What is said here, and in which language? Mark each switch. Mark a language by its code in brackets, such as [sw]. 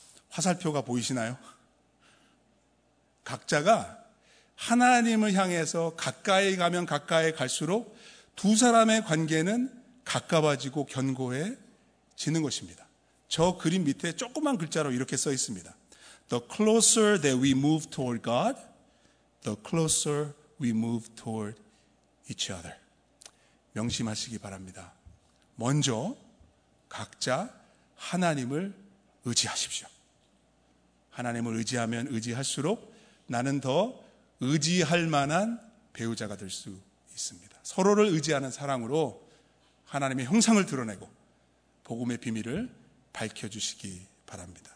[ko] 화살표가 보이시나요? 각자가 하나님을 향해서 가까이 가면 가까이 갈수록 두 사람의 관계는 가까워지고 견고해지는 것입니다. 저 그림 밑에 조그만 글자로 이렇게 써 있습니다. [en] The closer that we move toward God, the closer we move toward each other. [ko] 명심하시기 바랍니다. 먼저 각자 하나님을 의지하십시오. 하나님을 의지하면 의지할수록 나는 더 의지할 만한 배우자가 될 수 있습니다. 서로를 의지하는 사랑으로 하나님의 형상을 드러내고 복음의 비밀을 밝혀주시기 바랍니다.